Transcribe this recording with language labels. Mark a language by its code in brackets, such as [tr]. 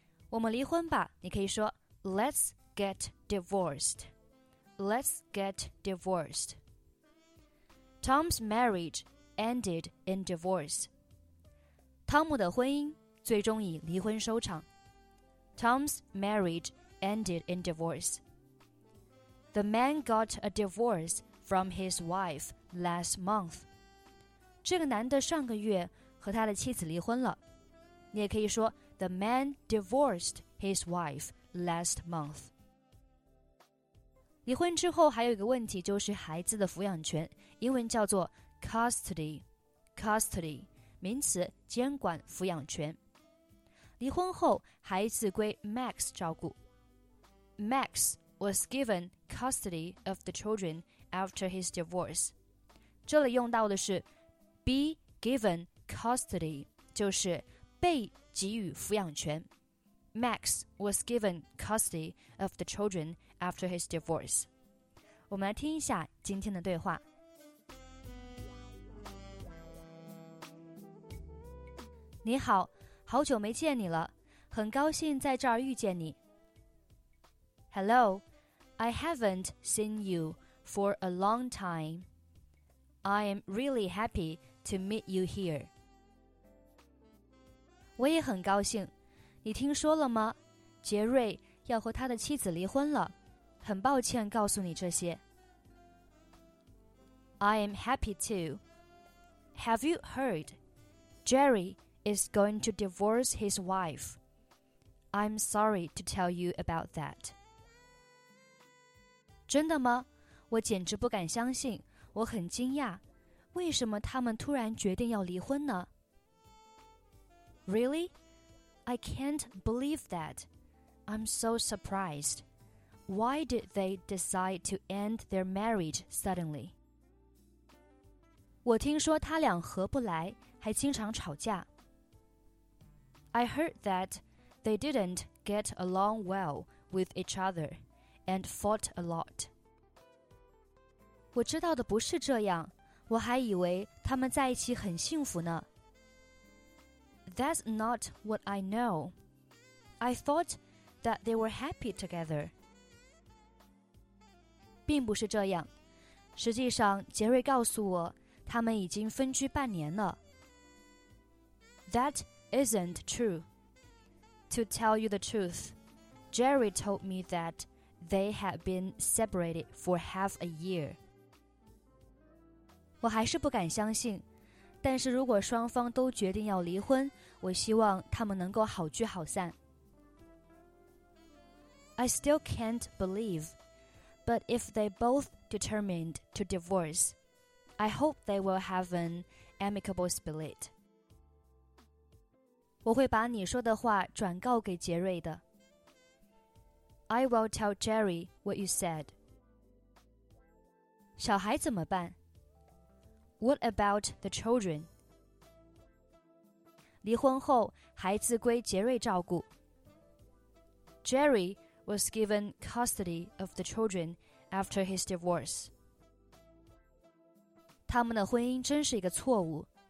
[zh] 我们离婚吧，你可以说 [en] let's get divorced, let's get divorced. Tom's marriageended in divorce. [zh] 汤姆的婚姻最终以离婚收场。 [en] Tom's marriage ended in divorce. The man got a divorce from his wife last month. [zh] 这个男的上个月和他的妻子离婚了。你也可以说 [en] The man divorced his wife last month. [zh] 离婚之后还有一个问题，就是孩子的抚养权，英文叫做custody, custody, 名词，监管抚养权。离婚后，孩子归 Max 照顾。 [en] Max was given custody of the children after his divorce. [zh] 这里用到的是 be given custody, 就是被给予抚养权。 [en] Max was given custody of the children after his divorce. [zh] 我们来听一下今天的对话。你好，好久没见你了，很高兴在这儿遇见你。 [en] Hello, I haven't seen you for a long time. I am really happy to meet you here. [zh] 我也很高兴，你听说了吗？杰瑞要和他的妻子离婚了，很抱歉告诉你这些。 [en] I am happy too. Have you heard? Jerry is going to divorce his wife. I'm sorry to tell you about that. [zh] 真的吗？我简直不敢相信，我很惊讶。为什么他们突然决定要离婚呢？ [en] Really? I can't believe that. I'm so surprised. Why did they decide to end their marriage suddenly? [zh] 我听说他俩合不来，还经常吵架。 [en] I heard that they didn't get along well with each other and fought a lot. [zh] 我知道的不是这样，我还以为他们在一起很幸福呢。 [en] That's not what I know. I thought that they were happy together. [zh] 并不是这样，实际上杰瑞告诉我他们已经分居半年了。 [en] That isn't true. To tell you the truth, Jerry told me that they had been separated for half a year. [zh] 我还是不敢相信，但是如果双方都决定要离婚，我希望他们能够好聚好散。 [en] I still can't believe, but if they both determined to divorce, I hope they will have an amicable split. [zh] 我会把你说的话转告给杰瑞的。 [en] I will tell Jerry what you said. [zh] 小孩怎么办？ [en] What about the children? [zh] 离婚后，孩子归杰瑞照顾。 [en] Jerry was given custody of the children after his divorce. [zh] 他们的婚姻真是一个错误。